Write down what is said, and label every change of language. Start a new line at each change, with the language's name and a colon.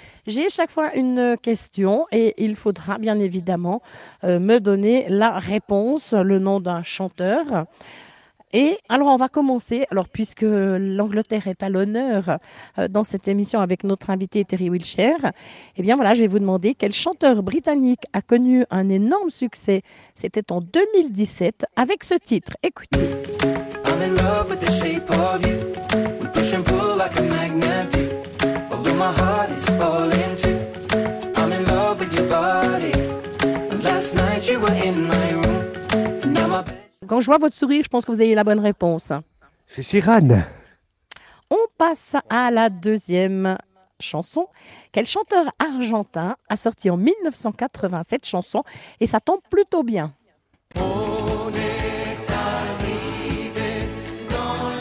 French: J'ai chaque fois une question et il faudra bien évidemment me donner la réponse, le nom d'un chanteur. Et alors, on va commencer, alors puisque l'Angleterre est à l'honneur dans cette émission avec notre invité Terry Wiltshire, eh bien voilà, je vais vous demander quel chanteur britannique a connu un énorme succès. C'était en 2017 avec ce titre. Écoutez.
English: I'm in love with the shape of you. We push and pull like a magnet do. Although my heart is falling too. I'm in love with your body. Last night you were in my room.
French: Quand je vois votre sourire, je pense que vous avez la bonne réponse. C'est Sirane. On passe à la deuxième chanson. Quel chanteur argentin a sorti en 1980 cette chanson et ça tombe plutôt bien. On est arrivé dans